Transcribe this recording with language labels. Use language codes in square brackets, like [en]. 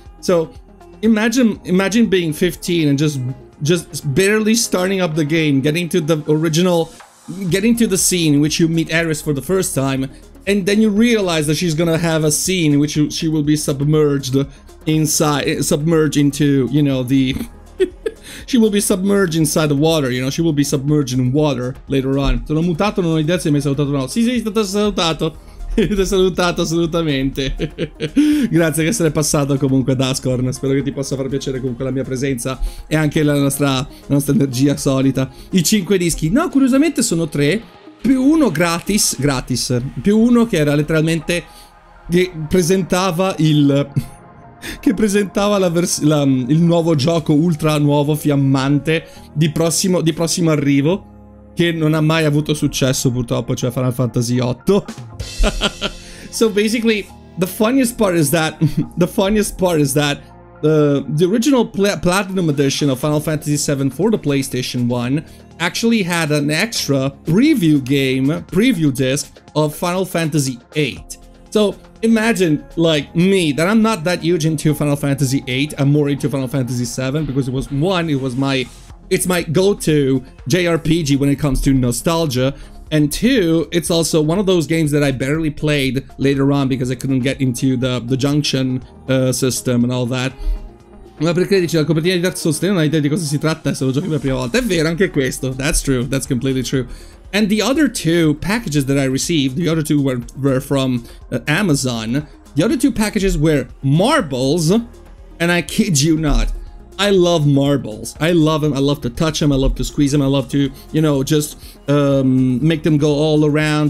[en] So Imagine being 15 and just barely starting up the game, getting to the scene in which you meet Aeris for the first time, and then you realize that she's gonna have a scene in which she will be submerged into, you know, the she will be submerged inside the water, you know, she will be submerged in water later on. [it] Sono mutato, non ho idea se mi hai salutato o no. Sì, sei stato salutato. Ti ho salutato assolutamente. Grazie di essere passato comunque, Duskorn. Spero che ti possa far piacere comunque la mia presenza e anche la nostra energia solita. I 5 dischi. No, curiosamente sono 3. Più uno gratis. Più uno che era letteralmente. Che presentava il nuovo gioco ultra nuovo, fiammante. Di prossimo arrivo. Che non ha mai avuto successo, purtroppo, cioè Final Fantasy VIII. [en] So basically, the funniest part is that the original Platinum Edition of Final Fantasy VII for the PlayStation 1 actually had an extra preview disc of Final Fantasy VIII. So imagine, like me, that I'm not that huge into Final Fantasy VIII, I'm more into Final Fantasy VII because it's my go-to JRPG when it comes to nostalgia. And two, it's also one of those games that I barely played later on because I couldn't get into the junction system and all that. [it] Ma perché dici, la copertina di Dark Souls 3 non hai idea di cosa si tratta se lo giochi per la prima volta? È vero, anche questo. [en] That's true, that's completely true. And the other two packages that I received, the other two were from Amazon. The other two packages were marbles, and I kid you not, I love marbles. I love them. I love to touch them. I love to squeeze them. I love to, you know, just make them go all around.